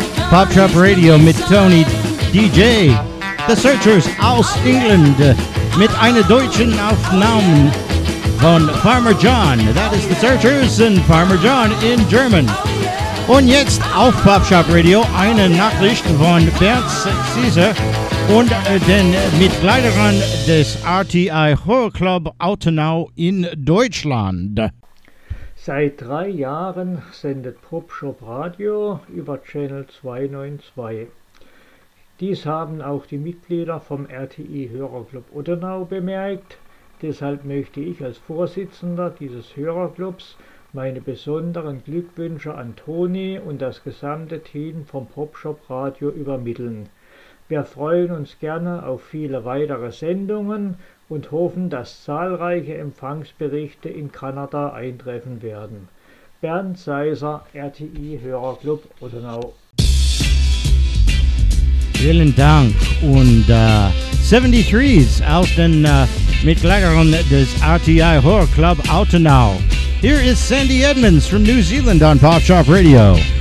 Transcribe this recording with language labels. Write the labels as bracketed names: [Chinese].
[German] Pop Shop Radio mit Tony DJ, The Searchers aus England, mit einer deutschen Aufnahme von Farmer John. [English] That is The Searchers and Farmer John in German. [German] Und jetzt auf Pop Shop Radio eine Nachricht von Bernd Caesar und den Mitgliedern des RTI Horror Club Altenau in Deutschland. Seit 3 Jahren sendet Popshop Radio über Channel 292. Dies haben auch die Mitglieder vom RTI Hörerclub Ottenau bemerkt. Deshalb möchte ich als Vorsitzender dieses Hörerclubs meine besonderen Glückwünsche an Toni und das gesamte Team vom Popshop Radio übermitteln. Wir freuen uns gerne auf viele weitere Sendungen und hoffen, dass zahlreiche Empfangsberichte in Kanada eintreffen werden. Bernd Caesar, RTI Hörerclub Ottenau. Vielen Dank. Und 73s aus den Mitgliedern des RTI Hörerclub Ottenau. [English] Here is Sandy Edmonds from New Zealand on Pop Shop Radio.